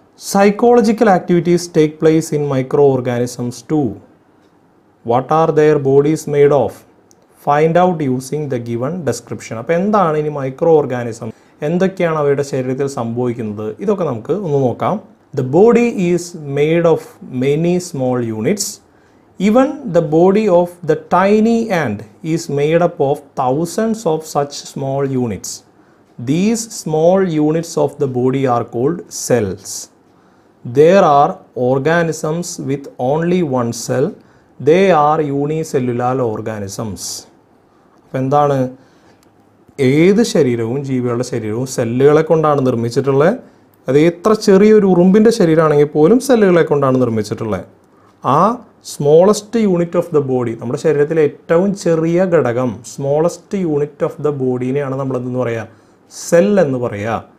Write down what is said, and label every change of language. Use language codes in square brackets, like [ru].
[en] Psychological activities take place in microorganisms too. What are their bodies made of? Find out using the given description. [ml] അപ്പോൾ എന്താണ് ഇനി micro organism, എന്തൊക്കെയാണ് അവയുടെ ശരീരത്തിൽ സംഭവിക്കുന്നത്, ഇതൊക്കെ നമുക്ക് ഒന്ന് നോക്കാം. [en] The body is made of many small units. Even the body of the tiny ant is made up of thousands of such small units. These small units of the body are called cells. There are organisms with only one cell. They are unicellular organisms. [ml] അപ്പോൾ എന്താണ്, ഏത് ശരീരവും ജീവികളുടെ ശരീരവും സെല്ലുകളെ കൊണ്ടാണ് നിർമ്മിച്ചിട്ടുള്ളത്. അത് എത്ര ചെറിയൊരു ഉറുമ്പിൻ്റെ ശരീരമാണെങ്കിൽ പോലും സെല്ലുകളെ കൊണ്ടാണ് നിർമ്മിച്ചിട്ടുള്ളത്. ആ [en] smallest unit of the body, [ml] നമ്മുടെ ശരീരത്തിലെ ഏറ്റവും ചെറിയ ഘടകം, സ്മോളസ്റ്റ് യൂണിറ്റ് ഓഫ് ദ ബോഡീനെയാണ് നമ്മളെന്തെന്ന് പറയുക, സെൽ എന്ന് പറയുക.